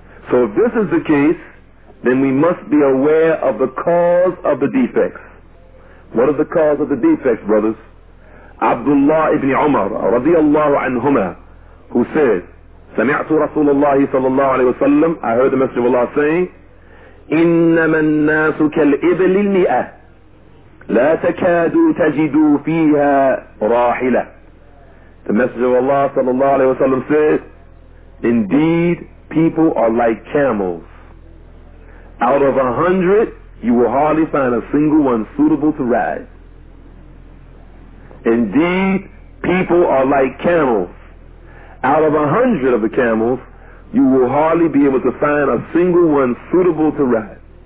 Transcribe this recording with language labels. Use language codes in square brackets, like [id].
[en] So if this is the case, then we must be aware of the cause of the defects. What are the cause of the defects, brothers? Abdullah ibn Umar, radiallahu anhumah, who said, [ar] سَمِعْتُ رَسُولَ اللَّهِ صَلَى اللَّهُ عَلَيْهِ وَسَلَّمُ. [en] I heard the Messenger of Allah saying, [ar] إِنَّمَا النَّاسُ كَالْإِبْلِ الْمِئَةِ لا تكاد تجد فيها راحلة. [en] The Messenger of Allah sallallahu alayhi wa sallam said, indeed, people are like camels. Out of 100, you will hardly find a single one suitable to ride. Indeed, people are like camels. Out of 100 of the camels, you will hardly be able to find a single one suitable to ride.